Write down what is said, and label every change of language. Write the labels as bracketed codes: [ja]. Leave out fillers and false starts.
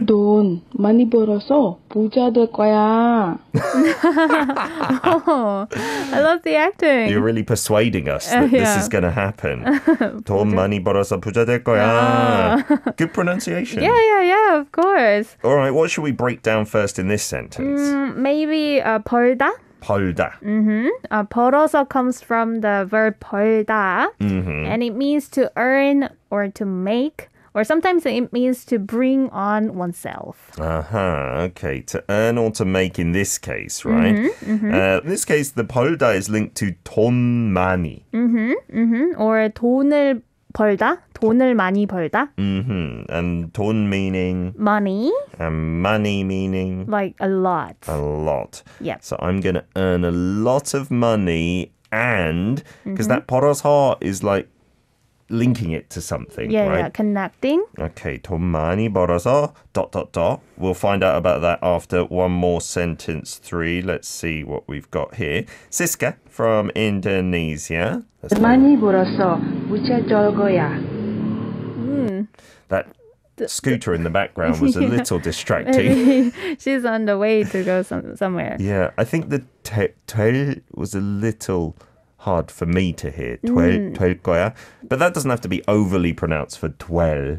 [ko] 돈 많이 벌어서 부자 될 거야. [en] I love the acting. You're really persuading us that yeah. this is going to happen. [ko] 돈 많이 벌어서 부자 될 거야. [en] Good pronunciation. Yeah, yeah, yeah, of course. All right, what should we break down first in this sentence? [ko] Maybe 벌다. 벌다. [en] Mm-hmm. 벌어서 comes from the verb 벌다. Mm-hmm. And it means to earn or to make. Or sometimes it means to bring on oneself. Uh-huh. Okay, to earn or to make in this case, right? Mm-hmm. Mm-hmm. In this case, the 벌다 is linked to [ko] 돈 많이. Mm-hmm. Mm-hmm. Or 돈을 벌다. 돈을 많이 벌다. [en] Mm-hmm. And 돈 meaning? Money. And money meaning? Like a lot. A lot. Yeah. So I'm going to earn a lot of money and, because mm-hmm. that 벌어서 is like linking it to something, yeah, right? Yeah, connecting. Okay, [ko] 돈 많이 벌어서 [en] dot dot dot. We'll find out about that after one more sentence three. Let's see what we've got here. Siska from Indonesia. [ko] 돈 많이 벌어서 부자 될 거야. [en] That scooter in the background was a little distracting. She's on the way to go somewhere. Yeah, I think the 될 was a little hard for me to hear. [ko] 될 거야. [en] But that doesn't have to be overly pronounced for 될.